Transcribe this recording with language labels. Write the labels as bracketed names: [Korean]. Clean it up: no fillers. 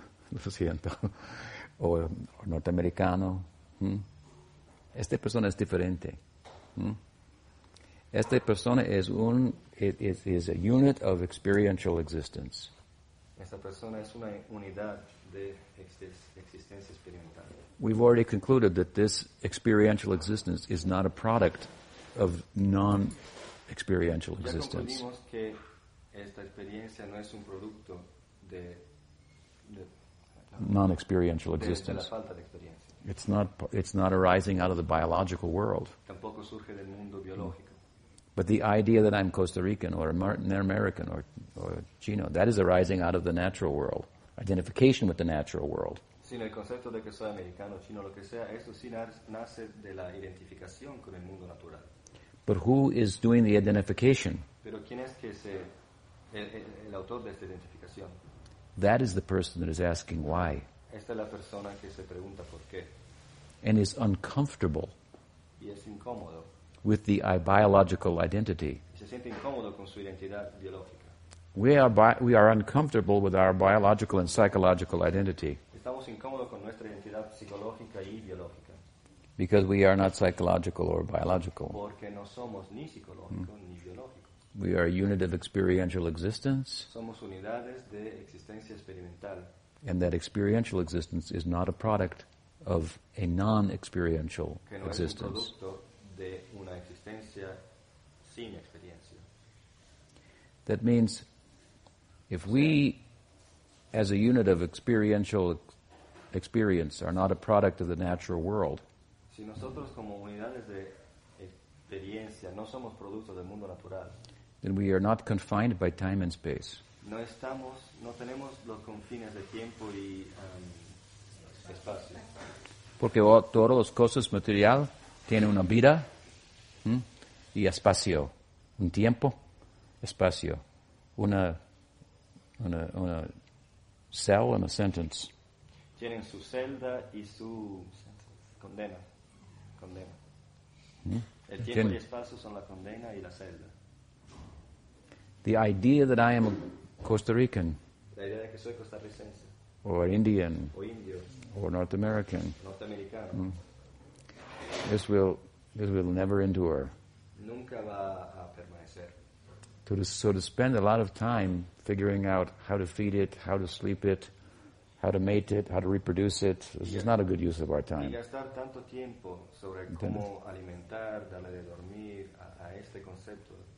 [Spanish] Lo siento. O norteamericano. Esta persona es diferente. Esta persona es un [English] is a unit of experiential existence. [Spanish] Esta persona es una unidad de existencia experimental. [English] We've already concluded that this experiential existence is not a product of non-experiential existence. [Spanish] Esta experiencia no es un producto de [English] non-experiential existence. [Spanish] De la falta de experiencia. [English] It's not arising out of the biological world. [Spanish] Tampoco surge del mundo biológico. [English] But the idea that I'm Costa Rican or American or Chino, that is arising out of the natural world. Identification with the natural world. [Spanish] Sino el concepto de que soy americano, chino, lo que sea, esto sí nace de la identificación con el mundo natural. [English] But who is doing the identification? [Spanish] Pero quién es que se el autor de esta identificación. [English] That is the person that is asking why. [Spanish] Esta es la persona que se pregunta por qué. [English] And is uncomfortable. [Spanish] Y es incómodo. [English] With the biological identity. [Spanish] Y se siente incómodo con su identidad biológica. [English] We are uncomfortable with our biological and psychological identity. [Spanish] Estamos incómodos con nuestra identidad psicológica y biológica. [English] Because we are not psychological or biological. [Spanish] Porque no somos ni psicológico ni biológico. [English] We are a unit of experiential existence. [Spanish] Somos unidades de existencia experimental. [English] And that experiential existence is not a product of a non-experiential existence. [Spanish] Que no es un producto de una existencia sin experiencia. [English] That means if we, as a unit of experiential experience, are not a product of the natural world, [Spanish] si nosotros como unidades de experiencia no somos producto del mundo natural, [English] then we are not confined by time and space. [Spanish] No estamos, no tenemos los confines de tiempo y espacio. Porque todas las cosas material tienen una vida y espacio. Un tiempo, espacio. Una [English] cell and a sentence. [Spanish] Tienen su celda y su condena. Condena. El tiempo y espacio son la condena y la celda. [English] The idea that I am a Costa Rican, [Spanish] la idea de que soy costarricense, [English] or Indian, [Spanish] o indio, [English] or North American, [Spanish] norteamericano, [English] this will never endure. [Spanish] Nunca va a permanecer. [English] To spend a lot of time figuring out how to feed it, how to sleep it, how to mate it, how to reproduce it, this is not a good use of our time. [Spanish] Y gastar tanto tiempo sobre cómo alimentar, darle de dormir a este concepto.